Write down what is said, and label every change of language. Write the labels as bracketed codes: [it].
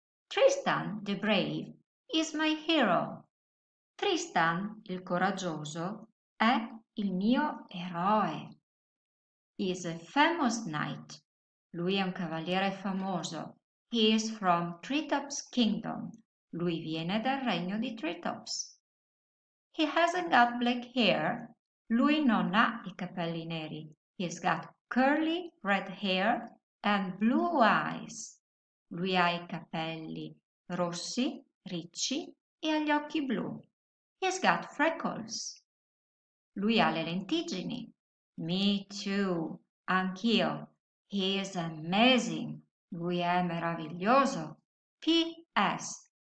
[en] Tristan the Brave is my hero. [it] Tristan il coraggioso è il mio eroe. [en] He is a famous knight. [it] Lui è un cavaliere famoso. [en] He is from Treetop's Kingdom. [it] Lui viene dal regno di Treetops. [en] He hasn't got black hair. [it] Lui non ha i capelli neri. [en] He's got curly red hair and blue eyes. [it] Lui ha i capelli rossi, ricci e ha gli occhi blu. [en] He's got freckles. [it] Lui ha le lentiggini. [en] Me too. [it] Anch'io. [en] He is amazing. [it] Lui è meraviglioso. P.S.